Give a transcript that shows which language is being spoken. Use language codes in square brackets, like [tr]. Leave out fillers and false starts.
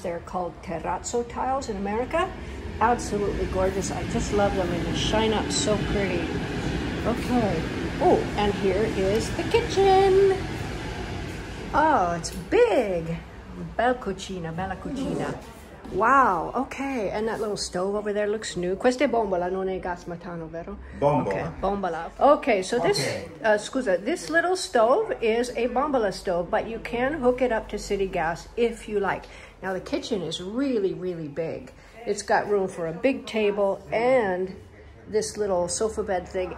[en] They're called terrazzo tiles in America. Absolutely gorgeous. I just love them and they shine up so pretty. Okay. Oh, and here is the kitchen. Oh, it's big. [it] Bella cucina. [en] Wow, okay, and that little stove over there looks new. [it] Queste bombola non è gas metano, vero? Bombola. Okay, bombola. [en] Okay, so this, this little stove is a bombola stove, but you can hook it up to city gas if you like. Now the kitchen is really, really big. It's got room for a big table and this little sofa bed thing.